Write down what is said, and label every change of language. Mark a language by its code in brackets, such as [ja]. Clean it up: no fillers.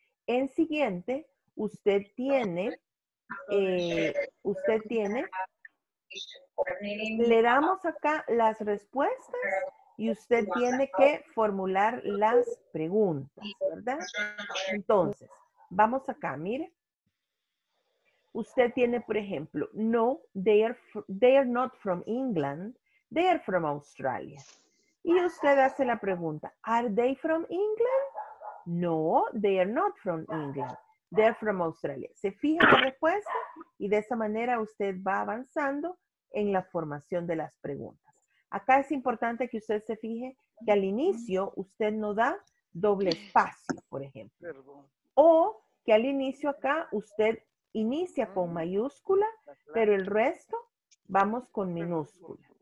[es] En siguiente, usted tiene, le damos acá las respuestas. Y usted tiene que formular las preguntas, ¿verdad? Entonces, vamos acá, mire. Usted tiene, por ejemplo, [en] no, they are not from England, they are from Australia. [es] Y usted hace la pregunta, [en] are they from England? No, they are not from England, they are from Australia. [es] Se fija la respuesta y de esa manera usted va avanzando en la formación de las preguntas. Acá es importante que usted se fije que al inicio usted no da doble espacio, por ejemplo. O que al inicio acá usted inicia con mayúscula, pero el resto vamos con minúscula.